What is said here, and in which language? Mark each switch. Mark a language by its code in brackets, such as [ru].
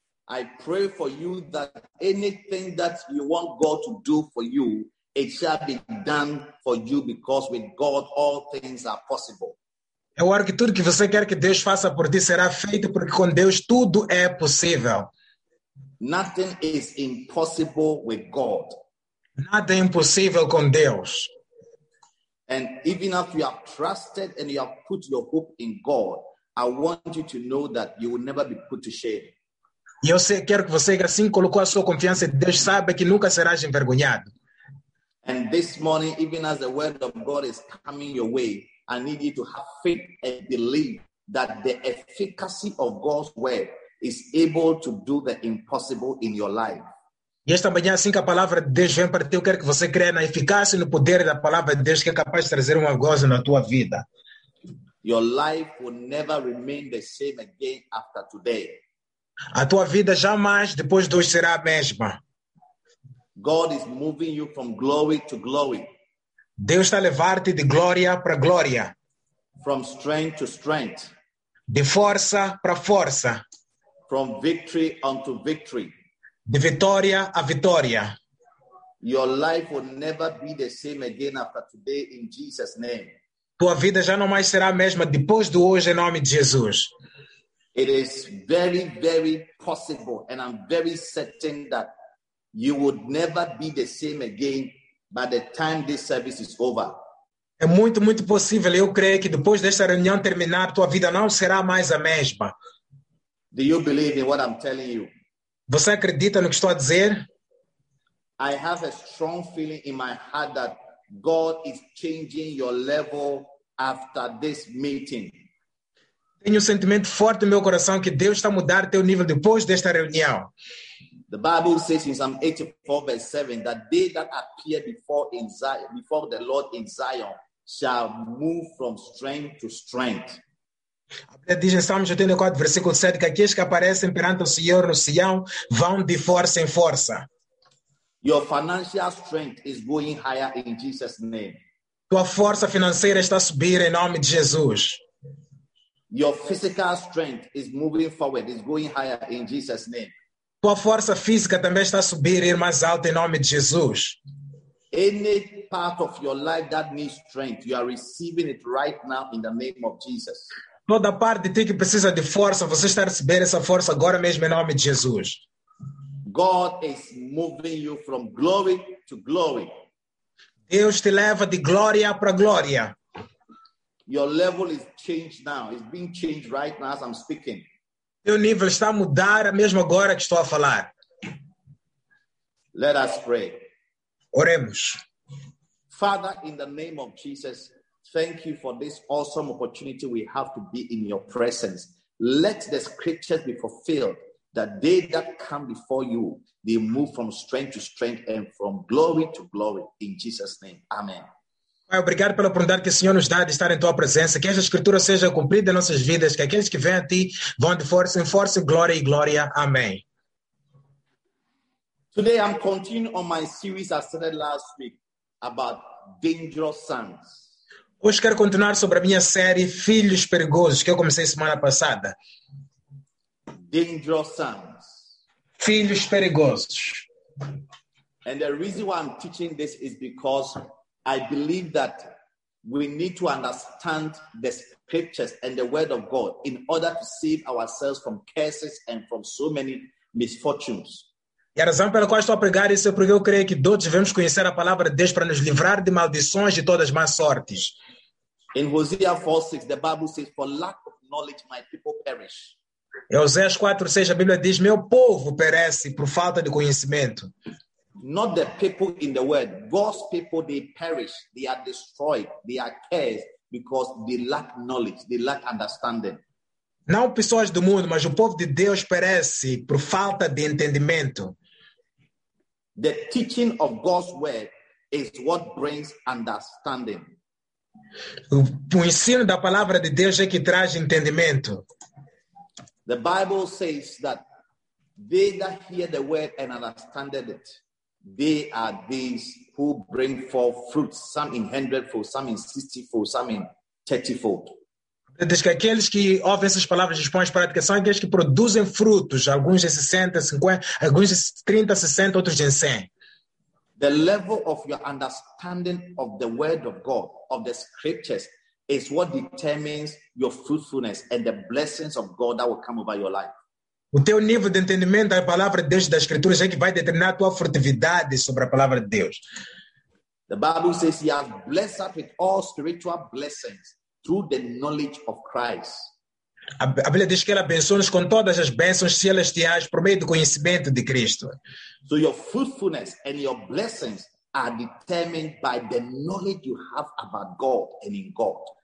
[en] I pray for you that anything that you want God to do for you, it shall be done for you, because with God, all things are possible. [pt] Eu oro que tudo que você quer que Deus faça por ti será feito, porque com Deus, tudo é possível. [en] Nothing is impossible with God. [pt] Nada é impossível com Deus. [en] And even if you have trusted and you have put your hope in God, I want you to know that you will never be put to shame. [pt] E eu sei, quero que você, assim, colocou a sua confiança em Deus, saiba que nunca serás envergonhado. [en] And this morning, even as the word of God is coming your way, I need you to have faith and believe that the efficacy of God's word is able to do the impossible in your life. [pt] E esta manhã, assim que a palavra de Deus vem para ti, eu quero que você creia na eficácia e no poder da palavra de Deus, que é capaz de trazer um gozo na tua vida. [en] Your life will never remain the same again after today. [pt] A tua vida jamais depois de hoje será a mesma. [en] God is moving you from glory to glory. [pt] Deus está a levar-te de glória para glória. [en] From strength to strength. [pt] De força para força. [en] From victory unto victory. [pt] De vitória a vitória. [en] Your life will never be the same again after today in Jesus' name. [pt] Tua vida já não mais será a mesma depois de hoje em nome de Jesus. [en] It is very, very possible, and I'm very certain that you would never be the same again by the time this service is over. [pt] É muito, muito possível. Eu creio que depois desta reunião terminar, tua vida não será mais a mesma. [en] Do you believe in what I'm telling you? [pt] Você acredita no que estou a dizer? [en] I have a strong feeling in my heart that God is changing your level after this meeting. [pt] Tenho um sentimento forte no meu coração que Deus está a mudar teu nível depois desta reunião. [en] The Bible says in Psalm 84 verse 7 that they that appear before the Lord in Zion shall move from strength to strength. [pt] A Bíblia diz em Salmos 84, versículo 7, que aqueles que aparecem perante o Senhor no Sião vão de força em força. [en] Your financial strength is going higher in Jesus' name. [pt] Tua força financeira está a subir em nome de Jesus. [en] Your physical strength is moving forward, is going higher in Jesus' name. [pt] Tua força física também está a subir e ir mais alto em nome de Jesus. [en] Any part of your life that needs strength, you are receiving it right now in the name of Jesus. [pt] Toda parte de ti que precisa de força, você está a receber essa força agora mesmo em nome de Jesus. [en] God is moving you from glory to glory. [pt] Deus te leva de glória para glória. [en] Your level is changed now. It's being changed right now as I'm speaking. [pt] Teu nível está a mudar mesmo agora que estou a falar. [en] Let us pray. [pt] Oremos. [en] Father, in the name of Jesus, thank you for this awesome opportunity we have to be in your presence. Let the scriptures be fulfilled, that they that come before you, they move from strength to strength and from glory to glory. In Jesus' name, amen. [pt] Pai, obrigado pela oportunidade que o Senhor nos dá de estar em tua presença. Que esta escritura seja cumprida em nossas vidas. Que aqueles que vêm a ti vão de força em força, glória e glória. Amém. [en] Today I'm continuing on my series I started last week about dangerous sons. [pt] Hoje quero continuar sobre a minha série Filhos Perigosos, que eu comecei semana passada. [en] Dangerous sons. [pt] Filhos Perigosos. [en] And the reason why I'm teaching this is because I believe that we need to understand the scriptures and the word of God in order to save ourselves from curses and from so many misfortunes. [pt] E a razão pela qual estou a pregar isso é porque eu creio que todos devemos conhecer a palavra de Deus para nos livrar de maldições e todas as más sortes. [en] In Hosea 4:6, the Bible says, "For lack of knowledge, my people perish." [pt] Em Oséias 4:6, a Bíblia diz: "Meu povo perece por falta de conhecimento." [en] Not the people in the world. God's people, they perish. They are destroyed. They are cursed because they lack knowledge. They lack understanding. [pt] Não pessoas do mundo, mas o povo de Deus perece por falta de entendimento. [en] The teaching of God's word is what brings understanding. [pt] O ensino da palavra de Deus é que traz entendimento. [en] The Bible says that they that hear the word and understand it, they are these who bring forth fruit, some in hundredfold, some in sixtyfold, some in thirtyfold. [pt] Diz que aqueles que ouvem essas palavras e expõem as práticas são aqueles que produzem frutos, alguns de 60, 50, alguns de 30, 60, outros de 100. [en] The level of your understanding of the word of God, of the scriptures, is what determines your fruitfulness and the blessings of God that will come over your life. [pt] O teu nível de entendimento da palavra de Deus, das escrituras, é que vai determinar a tua frutividade sobre a palavra de Deus. [en] The Bible says he has blessed us with all spiritual blessings through the knowledge of Christ. [pt] A Bíblia diz que ele abençoa-nos com todas as bênçãos celestiais por meio do conhecimento de Cristo. [en] So your fruitfulness and your blessings are determined by the knowledge you have about God and in God.